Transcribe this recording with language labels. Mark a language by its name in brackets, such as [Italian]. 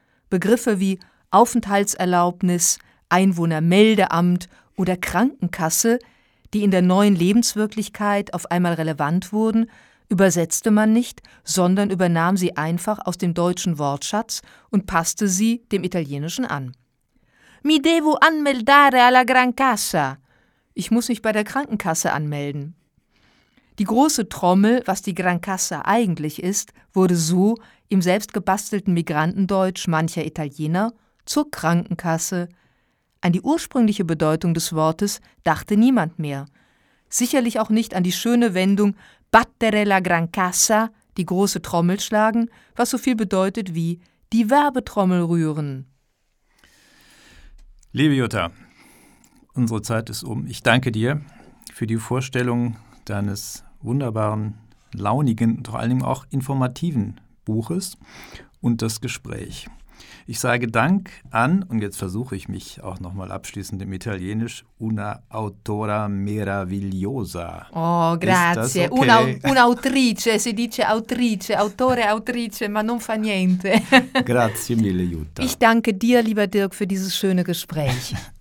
[German] Begriffe wie Aufenthaltserlaubnis, Einwohnermeldeamt oder Krankenkasse, die in der neuen Lebenswirklichkeit auf einmal relevant wurden, übersetzte man nicht, sondern übernahm sie einfach aus dem deutschen Wortschatz und passte sie dem Italienischen an. [Italian] Mi devo anmeldare alla Gran Casa. [German] Ich muss mich bei der Krankenkasse anmelden. Die große Trommel, was die Gran Casa eigentlich ist, wurde so im selbstgebastelten Migrantendeutsch mancher Italiener zur Krankenkasse. An die ursprüngliche Bedeutung des Wortes dachte niemand mehr. Sicherlich auch nicht an die schöne Wendung [Italian] Battere la Gran Casa, [German] die große Trommel schlagen, was so viel bedeutet wie die Werbetrommel rühren. Liebe Jutta, unsere Zeit ist um. Ich danke dir für die Vorstellung deines wunderbaren, launigen und vor allen Dingen auch informativen Buches und das Gespräch. Ich sage Dank an, und jetzt versuche ich mich auch nochmal abschließend im Italienisch, [Italian] una autora meravigliosa. Oh, grazie. Okay? Un'autrice, si dice autrice, autore, autrice, ma non fa niente. Grazie mille, Jutta. [German] Ich danke dir, lieber Dirk, für dieses schöne Gespräch.